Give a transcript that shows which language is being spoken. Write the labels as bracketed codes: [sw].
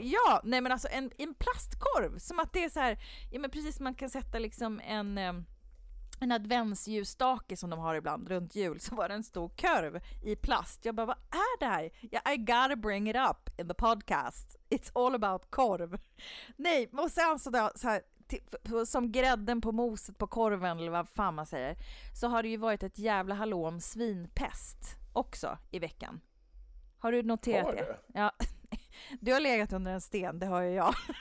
[sv] Ja, nej, men alltså en plastkorv, som att det är så här, ja, men precis, man kan sätta liksom en adventsljusstake som de har ibland runt jul, så var det en stor korv i plast. Jag bara, vad är det här? [en] I gotta bring it up in the podcast, it's all about korv. [sv] Nej, och sen så här, som grädden på moset på korven, eller vad fan man säger, så har det ju varit ett jävla hallå om svinpest också i veckan. Har du noterat det? Ja. Du har legat under en sten, det hör jag.